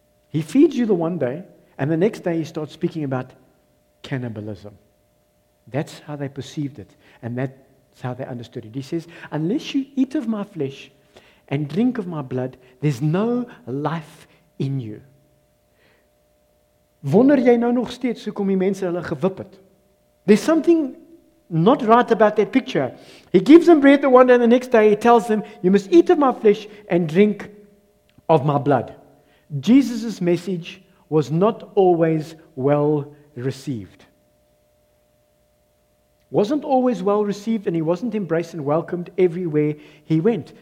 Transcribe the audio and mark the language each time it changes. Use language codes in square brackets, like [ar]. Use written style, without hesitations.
[en] He feeds you the one day, and the next day he starts speaking about cannibalism. That's how they perceived it, and that's how they understood it. He says, "Unless you eat of my flesh and drink of my blood, there's no life in you." [af] Wonder jy nou nog steeds hoe kom die mense hulle gewip het? [en] There's something not right about that picture. He gives them bread the one day, and the next day he tells them, "You must eat of my flesh and drink of my blood." Jesus' message was not always well received. Wasn't always well received, and he wasn't embraced and welcomed everywhere he went.